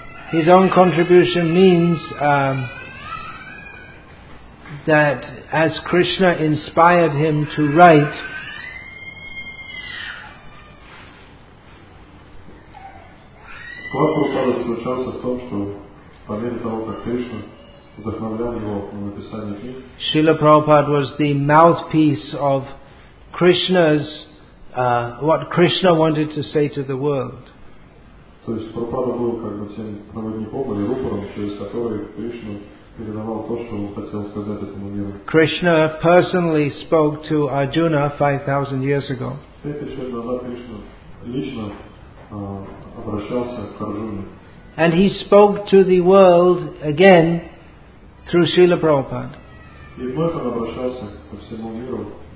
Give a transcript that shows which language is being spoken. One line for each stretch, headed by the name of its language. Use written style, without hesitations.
English: His own contribution means that as Krishna inspired him to write, Srila Prabhupada was the mouthpiece of Krishna's what Krishna wanted to say to the world.
Russian: То есть Прабхупада был как бы тем проводником или рупором, через который Кришна передавал то, что он хотел сказать этому миру.
English: Krishna personally spoke to Arjuna 5,000 years ago.
Russian: 5,000 лет назад Кришна лично обращался к Арджуне.
English: And he spoke to the world again through Srila Prabhupada.
Russian: И вновь он обращался ко всему миру.